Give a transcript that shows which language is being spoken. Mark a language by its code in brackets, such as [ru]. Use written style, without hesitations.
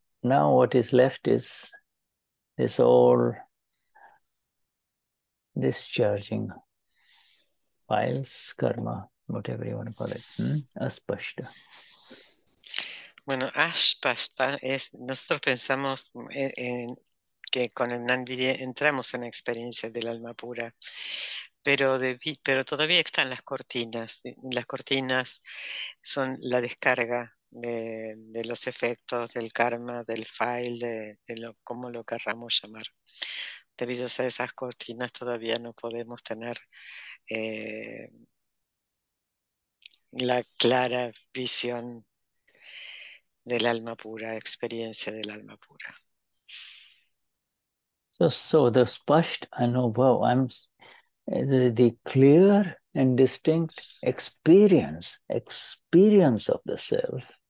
[en] Now what is left is this all discharging files, karma, whatever you want to call it. [sa] Aspashta. [es] Bueno, aspashta es, nosotros pensamos en que con el Nanvidhi entramos en la experiencia del alma pura, pero todavía están las cortinas. Las cortinas son la descarga de los efectos del karma, del file, de lo, como lo querramos llamar. Debido a esas cortinas todavía no podemos tener la clara visión del alma pura, experiencia del alma pura. [en] So the spashta, I know, wow, I'm the clear and distinct experience of the self.